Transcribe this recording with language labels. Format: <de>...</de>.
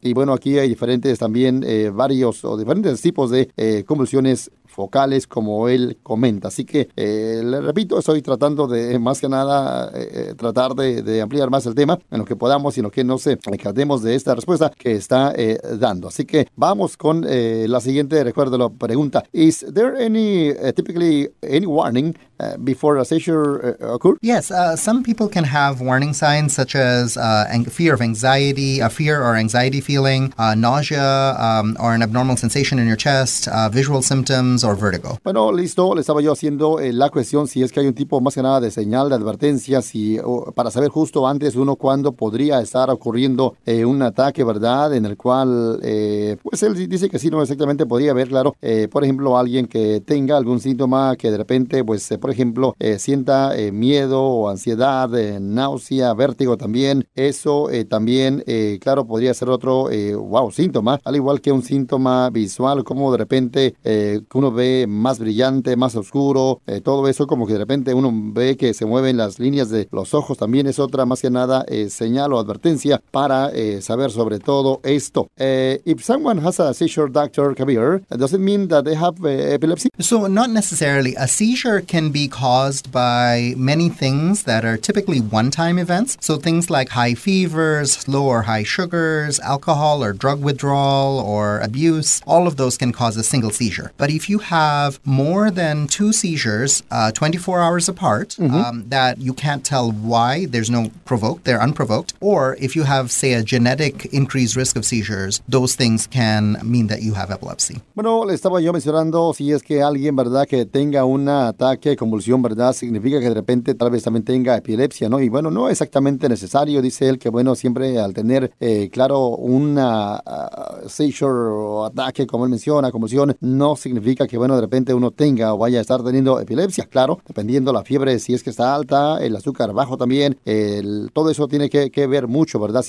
<es>Y bueno, aquí hay diferentes también, varios o diferentes tipos de convulsiones focales, como él comenta. Así que, le repito, estoy tratando de, más que nada, tratar de ampliar más el tema en lo que podamos y en lo que no se encademos de esta respuesta que está dando. Así que vamos con la siguiente, recuerdo la pregunta.</es> <en>Is there any, typically, any warning before a seizure occurs? Yes, some people can have warning signs such as fear of anxiety, a fear or anxiety feeling, nausea, or an abnormal sensation in your chest, visual symptoms, or vertigo.</en> <es>Bueno, listo, le estaba yo haciendo la cuestión si es que hay un tipo más que nada de señal, de advertencia, si, o, para saber justo antes uno cuándo podría estar ocurriendo un ataque, ¿verdad? En el cual, pues él dice que sí, no exactamente podría haber, claro, por ejemplo, alguien que tenga algún síntoma que de repente, pues, por ejemplo, sienta miedo o ansiedad, náusea, vértigo también, eso también, claro, podría ser otro, síntoma, al igual que un síntoma visual, como de repente, uno ve más brillante, más oscuro, todo eso, como que de repente uno ve que se mueven las líneas de los ojos, también es otra, más que nada, señal o advertencia para saber sobre todo esto.</es> <en>If someone has a seizure, Dr. Kabir, does it mean that they have epilepsy? So, not necessarily. A seizure can be caused by many things that are typically one-time events. So, things like high fevers, low or high sugars, alcohol or drug withdrawal or abuse, all of those can cause a single seizure. But if you have more than two seizures 24 hours apart, mm-hmm. That you can't tell why, there's no provoked, they're unprovoked, or if you have, say, a genetic increased risk of seizures, those things can mean that you have epilepsy.</en> <es>Bueno, le estaba yo mencionando si es que alguien, ¿verdad?, que tenga un ataque, convulsión, ¿verdad?, significa que de repente tal vez también tenga epilepsia, ¿no? Y bueno, no exactamente necesario, dice él, que bueno, siempre al tener, claro, una seizure o ataque, como él menciona, convulsión, no significa que, bueno, de repente uno tenga o vaya a estar teniendo epilepsia, claro, dependiendo la fiebre, si es que está alta, el azúcar bajo también, todo eso tiene que ver mucho, ¿verdad?</es>